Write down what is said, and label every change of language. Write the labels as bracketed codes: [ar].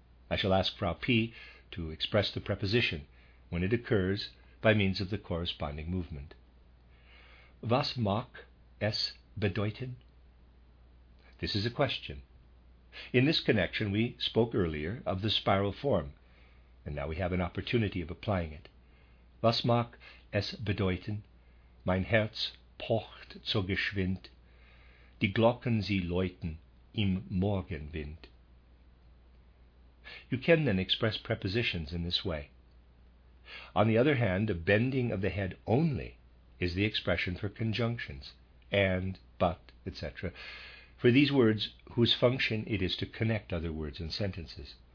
[en] I shall ask Frau P. to express the preposition when it occurs by means of the corresponding movement. [de] Was mag es bedeuten? [en] This is a question. In this connection, we spoke earlier of the spiral form, and now we have an opportunity of applying it. [de] Was mag es bedeuten? Mein Herz pocht so geschwind, die Glocken sie läuten im Morgenwind. [en] You can then express prepositions in this way. On the other hand, a bending of the head only is the expression for conjunctions, and, but, etc., for these words whose function it is to connect other words and sentences.